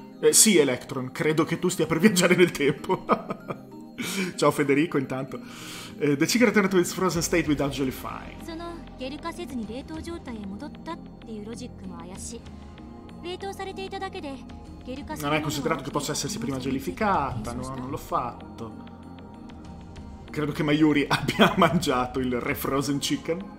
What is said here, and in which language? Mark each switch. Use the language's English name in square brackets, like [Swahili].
[Italian] Sì, Electron, credo che tu stia per viaggiare nel tempo. Ciao Federico, intanto. [English] The secret to its frozen state without gelifying. [Italian] Non è considerato che possa essersi prima gelificata, no, non l'ho fatto. Credo che Mayuri abbia mangiato il [English] refrozen chicken.